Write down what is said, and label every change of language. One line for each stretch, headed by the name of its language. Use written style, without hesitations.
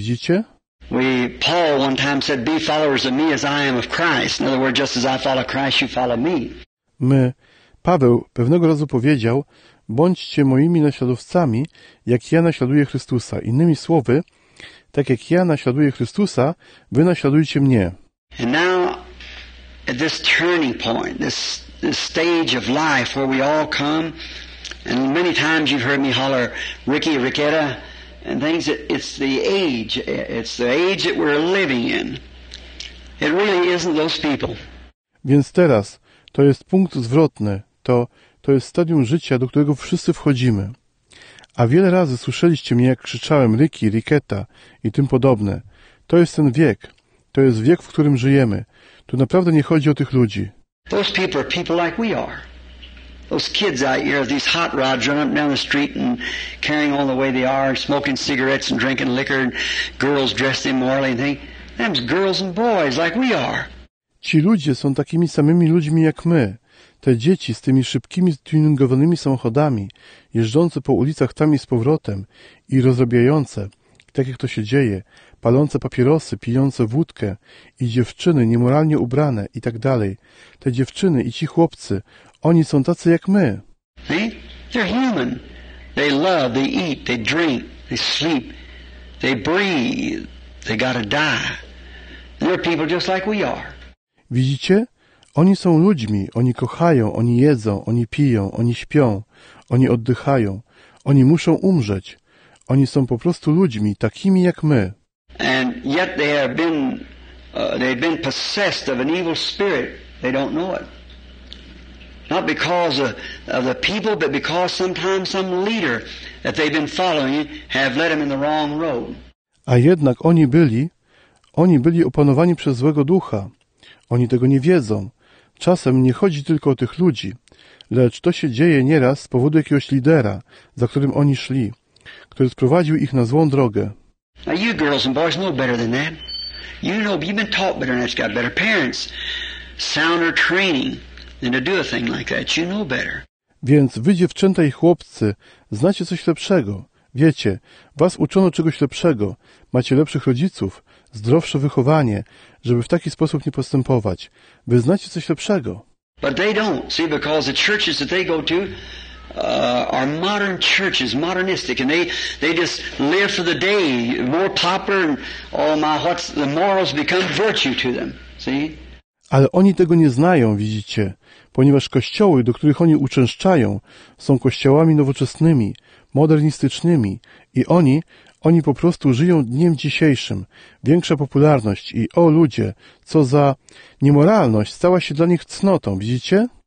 Polish: Widzicie?
English: Paul one time said, be followers of me as I am of Christ. In other words, just as I follow Christ, you follow me.
Polish: Paweł pewnego razu powiedział, bądźcie moimi naśladowcami, jak ja naśladuję Chrystusa. Innymi słowy, tak jak ja naśladuję Chrystusa, wy naśladujcie mnie.
English: And now, at this turning point, this stage of life where we all come, and many times you've heard me holler, Ricky, Ricketta, and things, it's the age that we're living in. It really isn't those people.
Polish: Więc teraz, to jest punkt zwrotny, to jest stadium życia, do którego wszyscy wchodzimy. A wiele razy słyszeliście mnie, jak krzyczałem Ricky, Ricketta i tym podobne. To jest ten wiek, to jest wiek, w którym żyjemy. Tu naprawdę nie chodzi o tych ludzi.
English: Those people are people like we are. Those kids out here, these hot rods running up down the street and carrying on the way they are, smoking cigarettes and drinking liquor, and girls dressed immorally and things. Them's girls and boys like we are.
Polish: Ci ludzie są takimi samymi ludźmi jak my. Te dzieci z tymi szybkimi, tuningowanymi samochodami, jeżdżące po ulicach tam i z powrotem i rozrabiające, tak jak to się dzieje, palące papierosy, pijące wódkę i dziewczyny niemoralnie ubrane i tak dalej. Te dziewczyny i ci chłopcy, oni są tacy jak my.
English: They're human. They love, they eat, they drink, they sleep, they breathe, they gotta die. They're people just like we are.
Polish: Widzicie? Oni są ludźmi, oni kochają, oni jedzą, oni piją, oni śpią, oni oddychają, oni muszą umrzeć. Oni są po prostu ludźmi, takimi jak my.
English: And yet they have been they've been possessed of an evil spirit. They don't know it. Not because of the people, but because sometimes some leader that they've been following have led them in the wrong road.
Polish: A jednak oni byli opanowani przez złego ducha. Oni tego nie wiedzą. Czasem nie chodzi tylko o tych ludzi, lecz to się dzieje nieraz z powodu jakiegoś lidera, za którym oni szli, który sprowadził ich na złą drogę.
English: Now you girls and boys know better than that. You know, you've been taught better than that. You've got better parents, sounder training than to do a thing like that. You know better.
Polish: Więc wy dziewczęta i chłopcy znacie coś lepszego. Wiecie, was uczono czegoś lepszego, macie lepszych rodziców, zdrowsze wychowanie, żeby w taki sposób nie postępować. Wy znacie coś lepszego.
English: But they don't, see, because the churches that they go to are modern churches, modernistic, and they just live for the day, more popular, and oh my, what's the morals become virtue to them, see?
Polish: Ale oni tego nie znają, widzicie, ponieważ kościoły, do których oni uczęszczają, są kościołami nowoczesnymi, modernistycznymi i oni po prostu żyją dniem dzisiejszym. Większa popularność i o ludzie, co za niemoralność stała się dla nich cnotą, widzicie?